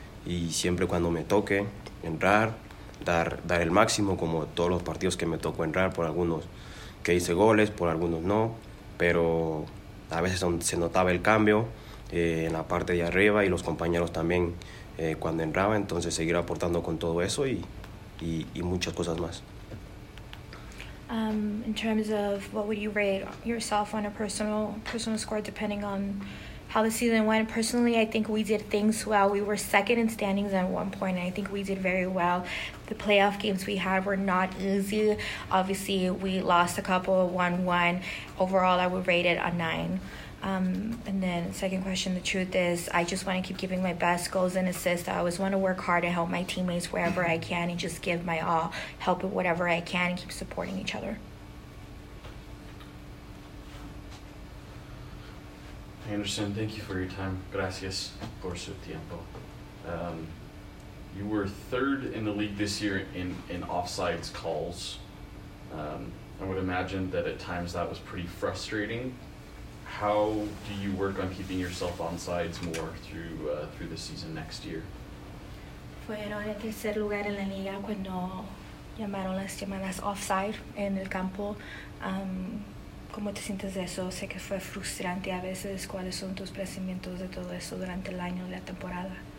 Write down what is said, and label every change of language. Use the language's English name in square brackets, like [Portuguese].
[Spanish] Y siempre cuando me toque entrar, dar el máximo, como todos los partidos que me tocó entrar, por algunos que hice goles, por algunos no, pero a veces se notaba el cambio en la parte de arriba y los compañeros también cuando entraba. Entonces seguir aportando con todo eso y muchas cosas más. [English] In terms of what would you rate yourself on a personal score depending on how the season went, personally, I think we did things well. We were second in standings at one point, and I think we did very well. The playoff games we had were not easy. Obviously, we lost a couple, 1-1. Overall, I would rate it a 9. And then second question, the truth is, I just want to keep giving my best, goals and assists. I always want to work hard and help my teammates wherever I can and just give my all, help with whatever I can and keep supporting each other. Anderson, thank you for your time. [Spanish] Gracias por su tiempo. [English] You were third in the league this year in offsides calls. would imagine that at times that was pretty frustrating. How do you work on keeping yourself on sides more through the season next year? [Spanish] Fueron en tercer lugar en la liga cuando llamaron las llamadas offside en el campo. ¿Cómo te sientes de eso? Sé que fue frustrante a veces. ¿Cuáles son tus pensamientos de todo eso durante el año de la temporada?